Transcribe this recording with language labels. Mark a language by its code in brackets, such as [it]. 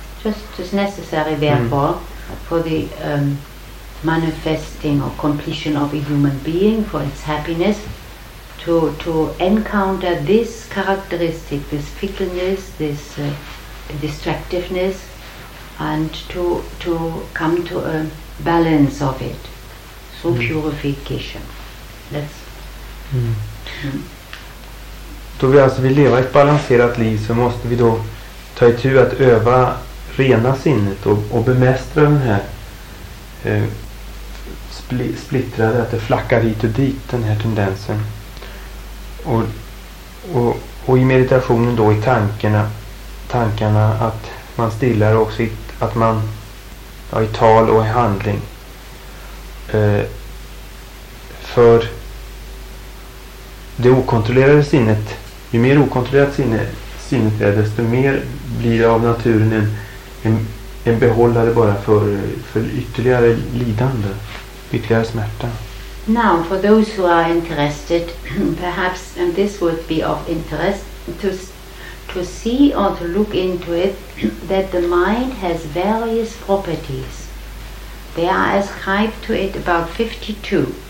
[en] just as necessary therefore for the manifesting or completion of a human being, for its happiness, to encounter this characteristic, this fickleness, this destructiveness, and to come to a balance of it, so purification. That's [sv] Då vi alltså vill leva ett balanserat liv, så måste vi då ta itu att öva rena sinnet och bemästra den här splittrade, att det flackar hit och dit, den här tendensen. Och i meditationen då, i tankarna, att man stillar också i tal och i handling. För det okontrollerade sinnet, ju mer okontrollerat sinnet är, desto mer blir det av naturen en behållare bara för ytterligare lidande, ytterligare smärta. [en] Now, for those who are interested, perhaps, and this would be of interest, to see or to look into it, that the mind has various properties. They are ascribed to it about 52.